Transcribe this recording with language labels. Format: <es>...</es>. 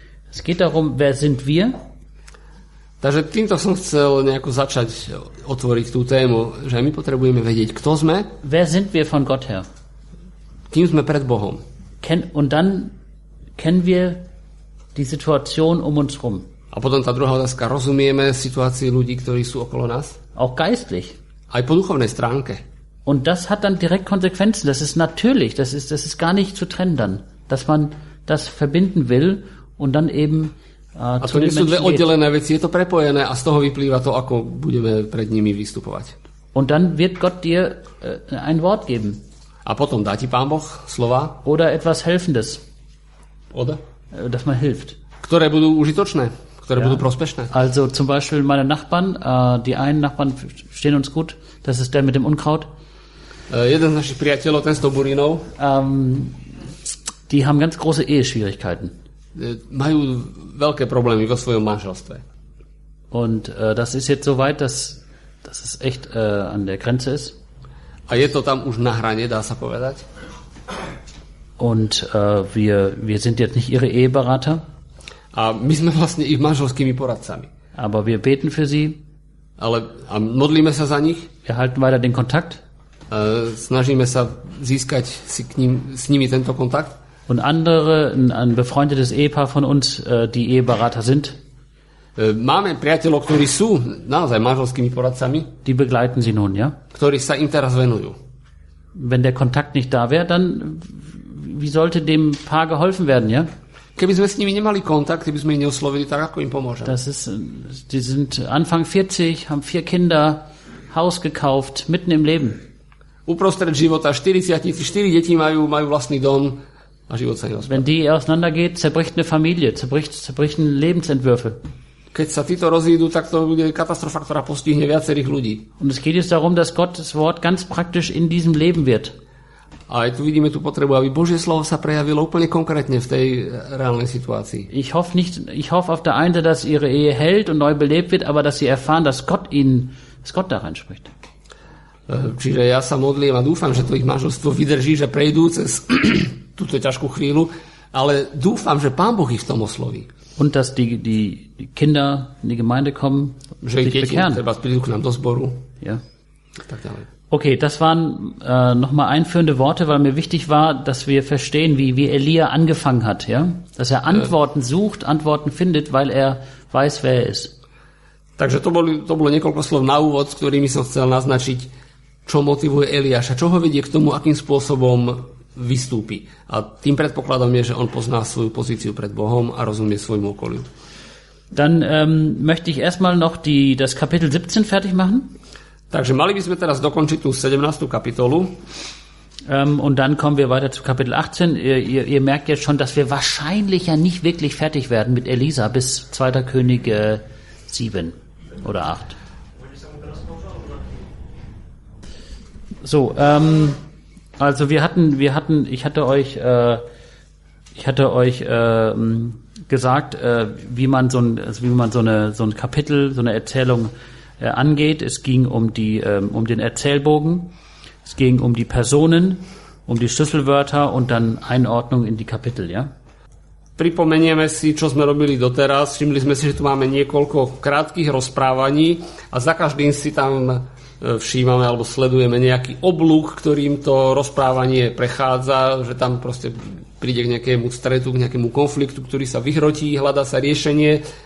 <de>Es geht darum, wer sind wir?</de> <sk>Takže týmto som chcel nejako začať otvoriť tú tému, že my potrebujeme vedieť, kto sme.</sk> <de>Wer sind wir von Gott her?</de> <sk>Kým sme pred Bohom?</sk> <de>Und dann kennen wir die Situation um uns rum.</de> <sk>A potom tá druhá otázka, rozumieme situácii ľudí, ktorí sú okolo nás?</sk> <de>Auch geistlich.</de> <sk>Aj po duchovnej stránke.</sk> <de>Und das hat dann direkt Konsequenzen. Das ist natürlich, das ist gar nicht zu trennen dann. Dass man das verbinden will und dann eben</de> <sk>A to nie sú dve oddelené veci, je to prepojené a z toho vyplýva to, ako budeme pred nimi vystupovať.</sk> <de>Und dann wird Gott dir ein Wort geben.</de> <sk>A potom dá ti Pán Boh slova.</sk> <de>Oder etwas Helfendes. Oder? Dass man hilft.</de> <sk>Ktoré budú užitočné, ktoré budú prospešné.</sk> <de>Also zum Beispiel meine Nachbarn, die einen Nachbarn stehen uns gut, das ist der mit dem Unkraut.</de> <sk>Jeden z našich priateľov, ten s tou burinou.</sk> <de>Die haben ganz große Eheschwierigkeiten.</de> <sk>Majú veľké problémy vo svojom manželstve.</sk> <de>Und das ist jetzt so weit, dass es echt an der Grenze ist.</de> <sk>A je to tam už na hrane, dá sa povedať?</sk> <de>Und wir sind jetzt nicht ihre Eheberater.</de> <sk>A my sme vlastne ich manželskými poradcami.</sk> <de>Aber wir beten für sie.</de> <sk>Ale a modlíme sa za nich.</sk> <de>Wir halten weiter den Kontakt.</de> <sk>Snažíme sa získať si k ním, s nimi tento kontakt.</sk> <de>Und andere, ein befreundetes Ehepaar von uns, die Eheberater sind.</de> <sk>Máme priateľov, ktorí sú naozaj manželskými poradcami.</sk> <de>Die begleiten sie nun, ja?</de> <sk>Ktorí sa im teraz venujú.</sk> <de>Wenn der Kontakt nicht da wäre, dann wie sollte dem Paar geholfen werden, ja?</de> <sk>Keby sme s nimi nemali kontakt, keby sme ich neoslovili, tak ako im pomôžem?</sk> <de>Die sind Anfang 40, haben 4 Kinder, Haus gekauft, mitten im Leben.</de> <sk>Uprostred života 40-tníci, 4 deti majú vlastný dom, a život sa rozpadá.</sk> <de>Wenn die auseinandergeht, zerbricht eine Familie, zerbrechen Lebensentwürfe.</de> <sk>Keď sa títo rozídu, tak to bude katastrofa, ktorá postihne viacerých ľudí.</sk> <de>Und es geht jetzt darum, dass Gottes Wort ganz praktisch in diesem Leben wird.</de> <sk>A aj tu vidíme tú potrebu, aby Božie slovo sa prejavilo úplne konkrétne v tej reálnej situácii.</sk> <de>Ich hoffe auf der einen Seite, dass ihre Ehe hält und neu belebt wird, aber dass sie erfahren, dass Gott da rein spricht.</de> <sk>Čiže ja sa modlím a dúfam, že to ich manželstvo vydrží, že prejdú cez túto ťažkú chvíľu, ale dúfam, že Pán Boh ich v tom osloví.</sk> <de>Und dass die Kinder in die Gemeinde kommen,</de> <sk>že ich deti treba prídu k nám do zboru. Ja. Tak ďalej.</sk> <de>Okay, das waren nochmal einführende Worte, weil mir wichtig war, dass wir verstehen, wie Elia angefangen hat, ja? Dass er Antworten sucht, Antworten findet, weil er weiß, wer er ist.</de> <sk>Takže to bolo niekoľko slov na úvod, s ktorými som chcel naznačiť, čo motivuje Eliáša, čo ho vedie k tomu, akým spôsobom vystúpi. A tým predpokladom je, že on pozná svoju pozíciu pred Bohom a rozumie svojmu okoliu.</sk> <de>Dann möchte ich erstmal noch das Kapitel 17 fertig machen.</de> <sk>Takže mali by sme teraz dokončiť tú 17. kapitolu.</sk> <de>Und dann kommen wir weiter zu Kapitel 18. Ihr merkt ja schon, dass wir wahrscheinlich ja nicht wirklich fertig werden mit Elisa bis 2. Könige 7 oder 8. So, also ich hatte euch gesagt, wie man so ein Kapitel, so eine Erzählung angeht. Es ging um den Erzählbogen. Es ging um die Personen, um die Schlüsselwörter und dann Einordnung in die Kapitel, ja?</de> <sk>Pripomenieme si, čo sme robili doteraz. Všimli sme si, že tu máme niekoľko krátkych rozprávaní a za každým si tam všímame alebo sledujeme nejaký obluh, ktorým to rozprávanie prechádza, že tam proste príde k nejakému stretu, k nejakému konfliktu, ktorý sa vyhrotí, hľadá sa riešenie.</sk>